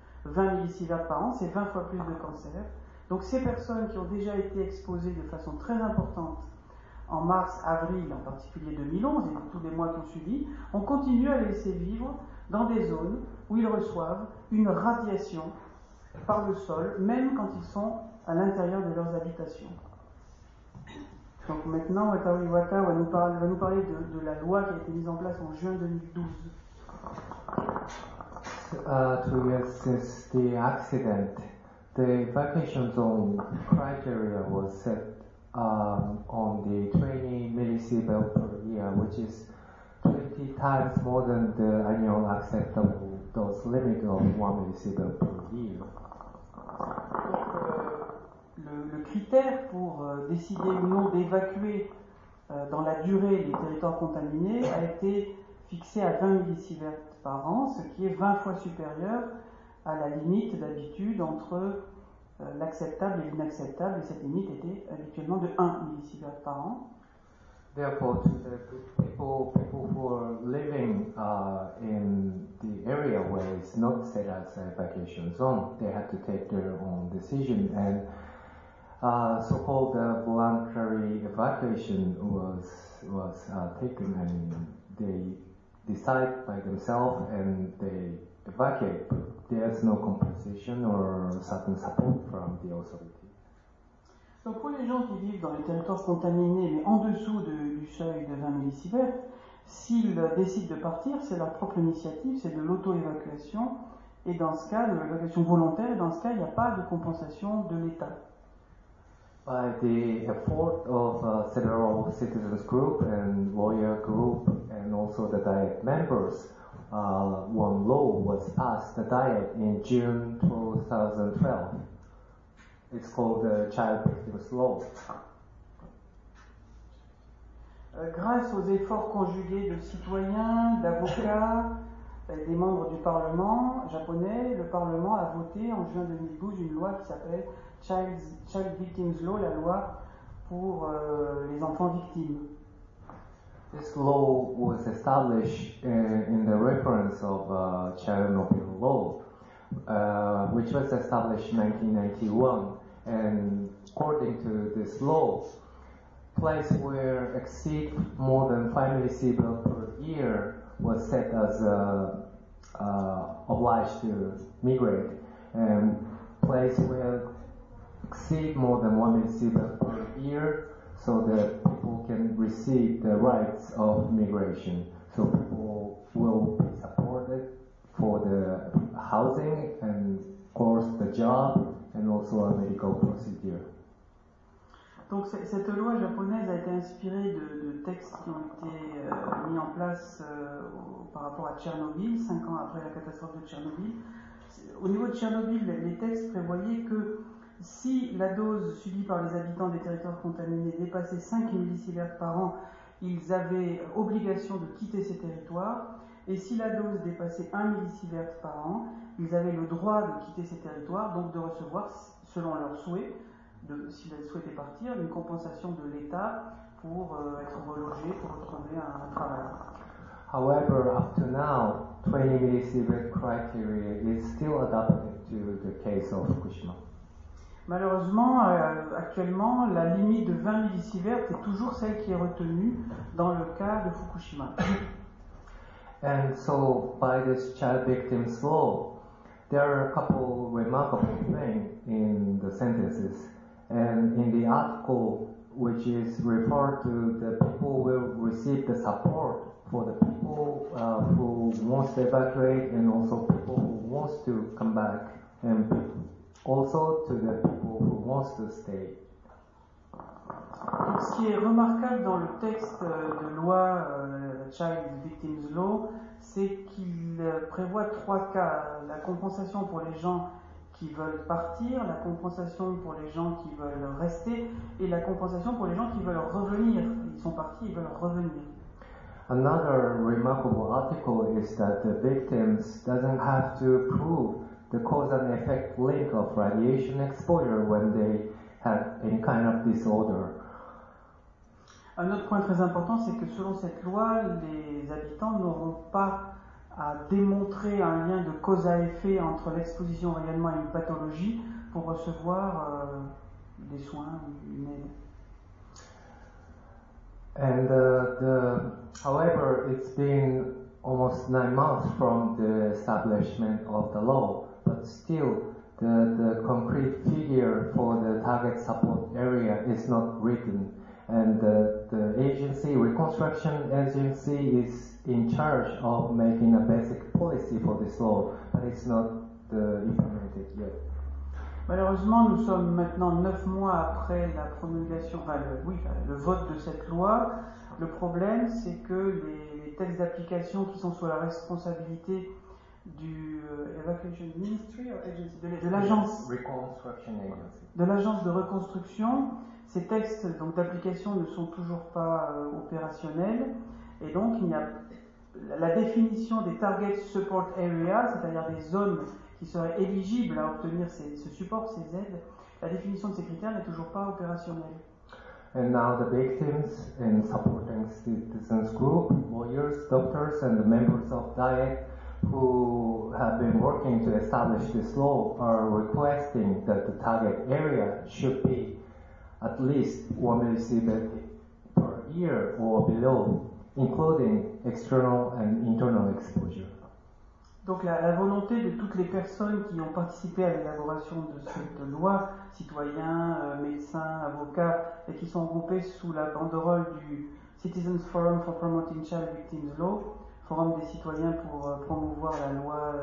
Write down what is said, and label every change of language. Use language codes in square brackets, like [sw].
[fr] 20 millisieverts par an, c'est 20 fois plus de cancers. Donc ces personnes qui ont déjà été exposées de façon très importante en mars, avril, en particulier 2011, et tous les mois qui ont suivi, ont continué à les laisser vivre dans des zones où ils reçoivent une radiation par le sol, même quand ils sont à l'intérieur de leurs habitations. Donc maintenant, Wataru Iwata va nous parler de la loi qui a été mise en place en juin 2012. [en] 2 years since the accident, the evacuation zone criteria was set on the 20 millisievert per year, which is 20 times more than the annual acceptable dose limit of 1 millisievert per year. [fr] Le critère pour décider ou non d'évacuer dans la durée les territoires contaminés a été fixé à 20 millisieverts par an, ce qui est 20 fois supérieur à la limite d'habitude entre l'acceptable et l'inacceptable, et cette limite était habituellement de 1 millisievert par an. [en] Therefore, to the people who are living in the area where it's not set as an evacuation zone, they had to take their own decision, and so-called voluntary evacuation was taken, and they decide by themselves and they evacuate, but there's no compensation or certain support from the authority. [fr] Donc pour les gens qui vivent dans les territoires contaminés, mais en dessous du seuil de 20 millisieverts, s'ils décident de partir, c'est leur propre initiative, c'est de l'auto-évacuation, et dans ce cas, de l'évacuation volontaire, et dans ce cas, il n'y a pas de compensation de l'État. [en] By the effort of several citizens group and lawyer group and also the Diet members, one law was passed, the Diet, in June 2012. It's called the Child Victims Law. [fr] Grâce aux efforts conjugués de citoyens, d'avocats, des membres du Parlement japonais, le Parlement a voté en juin 2012 une loi qui s'appelle Child Victims Law, la loi pour les enfants victimes. [en] This law was established in the reference of Chernobyl law, which was established in 1991. And according to this law, place where exceed more than 5 millisieverts per year was set as obliged to migrate, and place where exceed more than 1 millisievert per year, so that people can receive the rights of migration. So people will be supported for the housing and of course the job and also a medical procedure. [fr] Donc cette loi japonaise a été inspirée de textes qui ont été mis en place par rapport à Tchernobyl, 5 ans après la catastrophe de Tchernobyl. Au niveau de Tchernobyl, les textes prévoyaient que si la dose subie par les habitants des territoires contaminés dépassait 5 millisieverts par an, ils avaient obligation de quitter ces territoires. Et si la dose dépassait 1 millisievert par an, ils avaient le droit de quitter ces territoires, donc de recevoir, selon leurs souhaits, s'il souhaitait partir, une compensation de l'État pour être relogé, pour retrouver un travail. [en] However, up to now, 20 millisievert criteria is still adapted to the case of Fukushima. [fr] Malheureusement, actuellement, la limite de 20 millisievert est toujours celle qui est retenue dans le cas de Fukushima. [en] And so, by this child victims law, there are a couple remarkable things in the sentences. And in the article, which is referred to, the people will receive the support for the people who wants to evacuate and also people who wants to come back, and also to the people who wants to stay. [fr] Donc, ce qui est remarquable dans le texte de loi Child Victims Law, c'est qu'il prévoit trois cas. La compensation pour les gens qui veulent partir, la compensation pour les gens qui veulent rester et la compensation pour les gens qui veulent revenir. Ils sont partis, ils veulent revenir. [en] Another remarkable article is that the victims doesn't have to prove the cause and effect link of radiation exposure when they have any kind of disorder. [fr] Un autre point très important, c'est que selon cette loi, les habitants n'auront pas à démontrer un lien de cause à effet entre l'exposition réellement à une pathologie pour recevoir des soins, une aide. [en] And however, it's been almost 9 months from the establishment of the law, but still the concrete figure for the target support area is not written. And the agency, reconstruction agency, is in charge of making a basic policy for this law, but it's not implemented yet. [fr] Malheureusement, nous sommes maintenant 9 mois après la promulgation, le vote de cette loi. Le problème, c'est que les textes d'application qui sont sous la responsabilité du [en] Evacuation Ministry, or agency, [fr] de l'agence, [en] reconstruction agency, [fr] de l'agence de reconstruction. Ces textes donc, d'application ne sont toujours pas opérationnels et donc il y a la définition des [en] target support areas, [fr] c'est-à-dire des zones qui seraient éligibles à obtenir ce support, ces aides, la définition de ces critères n'est toujours pas opérationnelle. [en] And now the victims and supporting citizens group, lawyers, doctors and the members of DIET who have been working to establish this law are requesting that the target area should be at least 1 millisievert per year or below, including external and internal exposure. [fr] Donc la volonté de toutes les personnes qui ont participé à l'élaboration de cette loi, citoyens, médecins, avocats, et qui sont regroupés sous la banderole du Citizens Forum for Promoting Child Victims Law, forum des citoyens pour promouvoir la loi